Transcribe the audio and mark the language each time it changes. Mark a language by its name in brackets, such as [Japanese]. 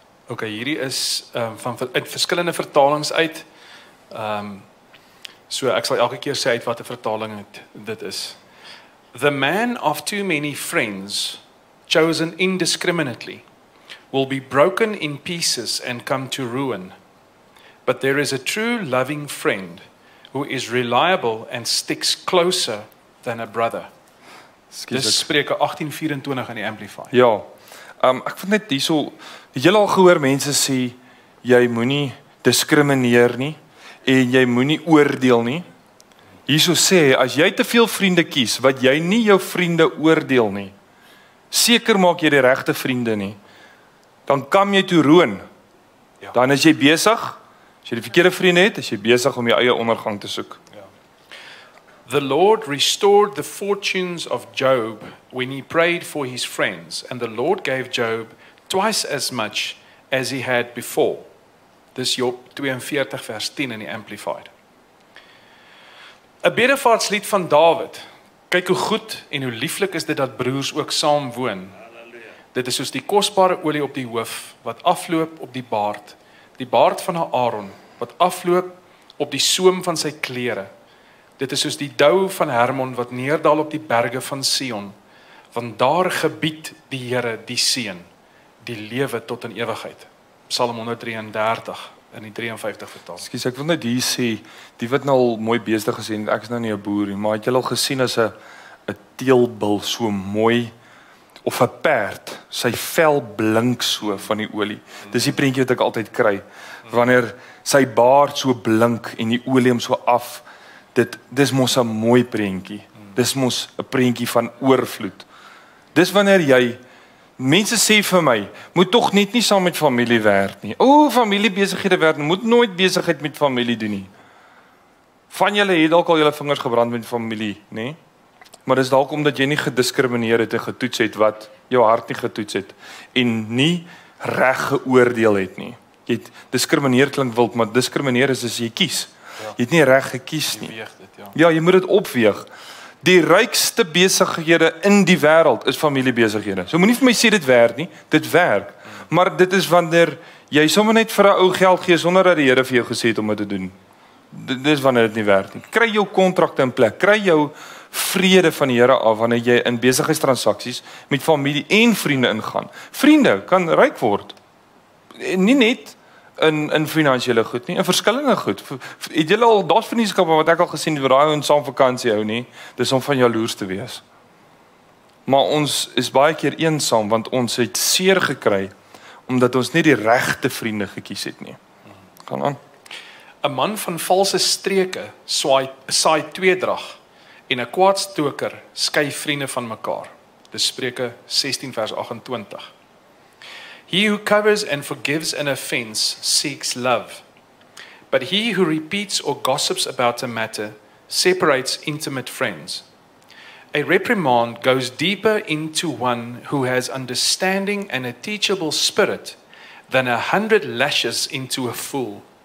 [Afrikaans] Ok, hierdie is van uit verskillende vertalings uit. So ek sal elke keer sê uit wat 'n vertaling dit is. [English] The man of too many friends, chosen indiscriminately, will be broken in pieces and come to ruin. But there is a true loving friend who is reliable and sticks closer than a brother. [Afrikaans] Dis Spreuke 18:24 in die Amplified. Ja. Ek vind net hierso, jy al gehoor mense sê jy moenie diskrimineer nie en jy moenie oordeel nie. Hierso sê as jy te veel vriende kies wat jy nie jou vriende oordeel nie, seker maak jy die regte vriende nie. Dan kom jy toe roon. Ja. Dan is jy besig. As jy die verkeerde vriende het, is jy besig om jou eie ondergang te soek. [English] The Lord restored the fortunes of Job when he prayed for his friends, and the Lord gave Job twice as much as he had before. [Afrikaans] Dis Job 42 vers 10 in die Amplified. 'n Bedevaartslied van Dawid. Kyk hoe goed en hoe lieflik is dit dat broers ook saam woon. Halleluja. Dit is soos die kosbare olie op die hoof wat afloop op die baard van Aaron wat afloop op die soem van sy klere. Dit is soos die dou van Hermon wat neerdal op die berge van Sion, want daar gebied die Here die seën, die lewe tot in ewigheid. Psalm 133 in die 53 vertaal. Skus, ek wil net hier sê, die wat nou al mooi beeste gesien, ek is nou nie 'n boer nie, maar het jy al gesien as 'n teelbul so mooi of 'n perd, sy vel blink so van die olie. Dis die prentjie wat ek altyd kry wanneer sy baard so blink en die olie hom so af. Dis mos 'n mooi prentjie. Dis mos 'n prentjie van oorvloed. Dis wanneer jy, mense sê vir my, moet tog net nie saam met familie werk nie. O, familiebesighede werk, moet nooit besigheid met familie doen nie. Van julle het dalk al julle vingers gebrand met familie, nê? Maar dis dalk omdat jy nie gediskrimineer het en getoets het wat jou hart nie getoets het en nie reg geoordeel het nie. Jy het diskrimineer klink wild, maar diskrimineer is as jy kies. Jy het nie reg gekies nie. Ja, jy moet dit opweeg. Die rykste besighede in die wêreld is familiebesighede. So moenie vir my sê dit werk nie, dit werk. Maar dit is wanneer jy sommer net vir 'n ou geld gee sonder dat die Here vir jou gesê het om dit te doen. Dit is wanneer dit nie werk nie. Kry jou kontrakte in plek, kry jou vrede van die Here af wanneer jy in besigheidstransaksies met familie en vriende ingaan. Vriende kan ryk word. Nie net in finansiële goed nie, in verskillende goed. Het julle al, daar's vriendskappe wat ek al gesien het, waar daai ouens saam vakansie hou nie, dis om van jaloers te wees. Maar ons is baie keer eensaam, want ons het seer gekry, omdat ons nie die regte vriende gekies het nie. Gaan aan. 'n Man van valse streke saai tweedrag, en 'n kwaadstoker skei vriende van mekaar. Dis Spreuke 16 vers 28. [English] He who covers and forgives an offense seeks love. But he who repeats or gossips about a matter separates intimate friends. A reprimand goes deeper into one who has understanding and a teachable spirit than 100 lashes into a fool.